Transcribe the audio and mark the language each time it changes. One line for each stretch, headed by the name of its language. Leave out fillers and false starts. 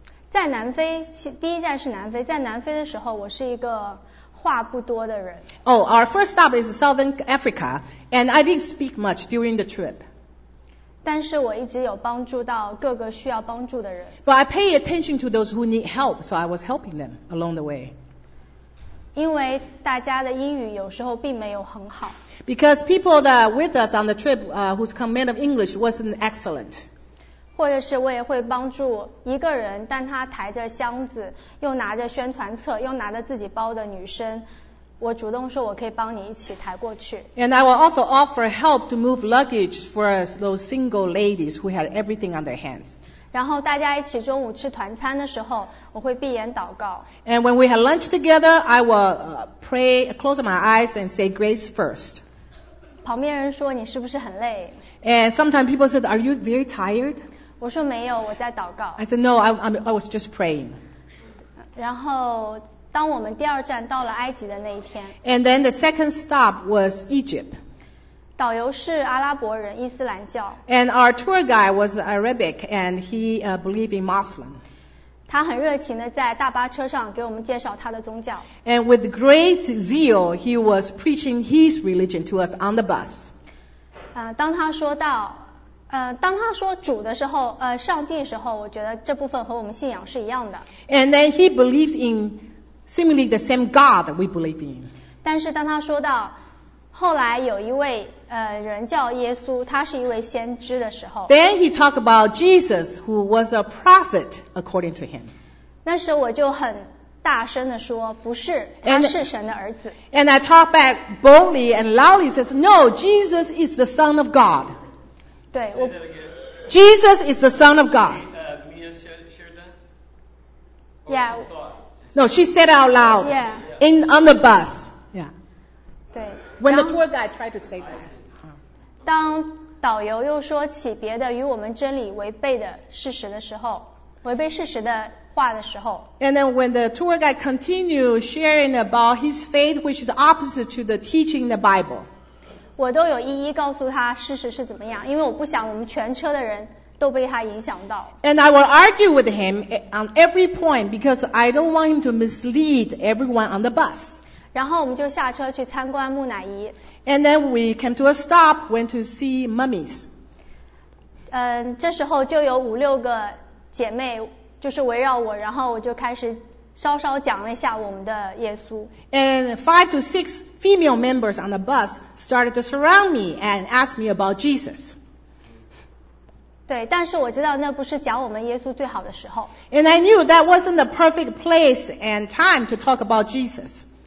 Chinese: 在南非，第一站是南非，在南非的时候我是一个话不多的人。
English: Oh, our first stop is Southern Africa, and I didn't speak much during the trip.
Chinese: 但是我一直有帮助到各个需要帮助的人。
English: But I pay attention to those who need help, so I was helping them along the way.
Chinese: 因为大家的英语有时候并没有很好。
English: Because people that are with us on the trip, whose command of English wasn't excellent.
Chinese: 或者是我也会帮助一个人，但他抬着箱子，又拿着宣传册，又拿着自己包的女生，我主动说我可以帮你一起抬过去。
English: And I will also offer help to move luggage for those single ladies who had everything on their hands.
Chinese: 然后大家一起中午吃团餐的时候，我会闭眼祷告。
English: And when we had lunch together, I will pray, close my eyes and say grace first.
Chinese: 旁边人说你是不是很累？
English: And sometimes people said, are you very tired?
Chinese: 我说没有，我在祷告。
English: I said no, I was just praying.
Chinese: 然后，当我们第二站到了埃及的那一天。
English: And then the second stop was Egypt.
Chinese: 导游是阿拉伯人，伊斯兰教。
English: And our tour guide was Arabic, and he believed in Muslim.
Chinese: 他很热情的在大巴车上给我们介绍他的宗教。
English: And with great zeal, he was preaching his religion to us on the bus.
Chinese: 当他说到。当他说主的时候，上帝的时候，我觉得这部分和我们信仰是一样的。
English: And then he believes in seemingly the same God that we believe in.
Chinese: 但是当他说到后来有一位人叫耶稣，他是一位先知的时候。
English: Then he talked about Jesus who was a prophet according to him.
Chinese: 那时我就很大声地说，不是，他是神的儿子。
English: And I talked back boldly and loudly says, No, Jesus is the Son of God.
Chinese: 对
English: Jesus is the Son of God. Yeah. No, she said out loud. Yeah. On the bus. Yeah.
Chinese: 对
English: When the tour guide tried to say that.
Chinese: 当导游又说起别的与我们真理违背的事实的时候，违背事实的话的时候。
English: And then when the tour guide continued sharing about his faith, which is opposite to the teaching in the Bible.
Chinese: 我都有一一告诉他事实是怎么样，因为我不想我们全车的人都被他影响到。
English: And I will argue with him on every point because I don't want him to mislead everyone on the bus.
Chinese: 然后我们就下车去参观木乃伊。
English: And then we came to a stop, went to see mummies.
Chinese: 这时候就有五六个姐妹就是围绕我，然后我就开始稍稍讲了一下我们的耶稣。
English: And 5 to 6 female members on the bus started to surround me and ask me about Jesus.
Chinese: 对，但是我知道那不是讲我们耶稣最好的时候。
English: And I knew that wasn't the perfect place and time to talk about Jesus.